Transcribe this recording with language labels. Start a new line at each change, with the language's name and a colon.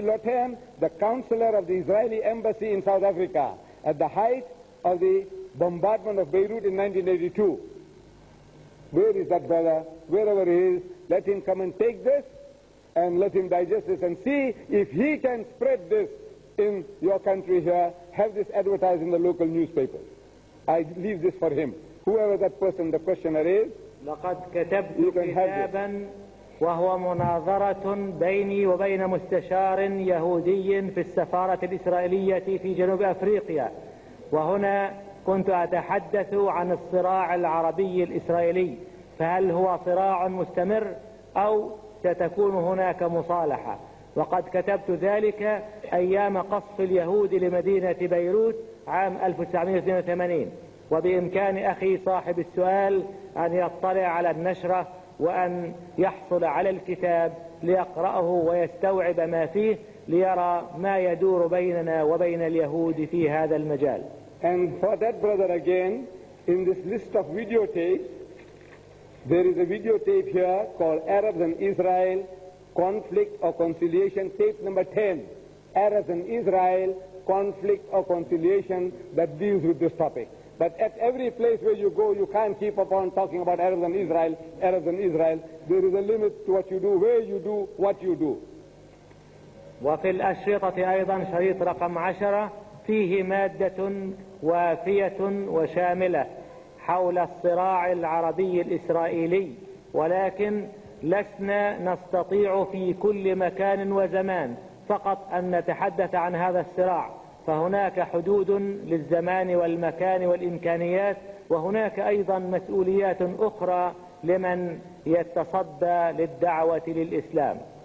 English: Lotem, the counselor of the Israeli embassy in South Africa, at the height of the bombardment of Beirut in 1982. Where is that brother? Wherever he is, let him come and take this, and let him digest this and see if he can spread this in your country here, have this advertised in the local newspaper. I leave this for him. Whoever that person, the questioner is,
Arabic: لقد كتبت كتابا وهو مناظرة بيني وبين مستشار يهودي في السفارة الإسرائيلية في جنوب أفريقيا، وهنا كنت أتحدث عن الصراع العربي الإسرائيلي، فهل هو صراع مستمر أو ستكون هناك مصالحة؟ وقد كتبت ذلك أيام قصف اليهود لمدينة بيروت عام 1982، وبإمكان أخي صاحب السؤال أن يطلع على النشرة وأن يحصل على الكتاب ليقرأه ويستوعب ما فيه ليرى ما يدور بيننا وبين اليهود في هذا المجال.
English: And for that brother again, in this list of videotapes, there is a videotape here called Arabs and Israel, Conflict or Conciliation, tape number 10, Arabs and Israel, Conflict or Conciliation, that deals with this topic. But at every place where you go, you can't keep upon talking about Arabs and Israel, Arabs and Israel. There is a limit to what you do, where you do, what you do.
Arabic: وفي الأشرطة أيضا شريط رقم 10 فيه مادة وافية وشاملة حول الصراع العربي الإسرائيلي، ولكن لسنا نستطيع في كل مكان وزمان فقط أن نتحدث عن هذا الصراع، فهناك حدود للزمان والمكان والإمكانيات، وهناك أيضا مسؤوليات أخرى لمن يتصدى للدعوة للإسلام.